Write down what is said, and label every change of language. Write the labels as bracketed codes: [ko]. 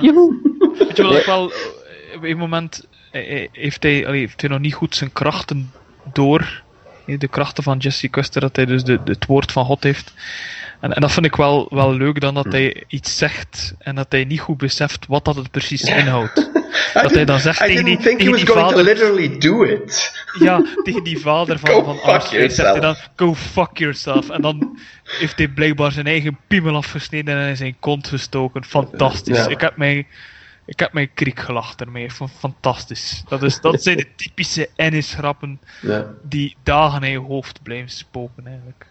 [nl] Weet je wel, ook wel, op een moment heeft hij nog niet goed zijn krachten door. De krachten van Jesse Custer, dat hij dus het woord van God heeft. En dat vind ik wel leuk, dan dat hij iets zegt en dat hij niet goed beseft wat dat het precies inhoudt. Dat hij dan zegt tegen die vader... [en] I didn't think he was going to literally do it. [nl] Ja, tegen die vader van Arthur. Zegt hij dan, [en] go fuck yourself. [nl] En dan heeft hij blijkbaar zijn eigen piemel afgesneden en in zijn kont gestoken. Fantastisch. Yeah. Ik heb mijn kriek gelacht ermee. Fantastisch. Dat zijn de typische Ennis-grappen die dagen in je hoofd blijven spoken eigenlijk.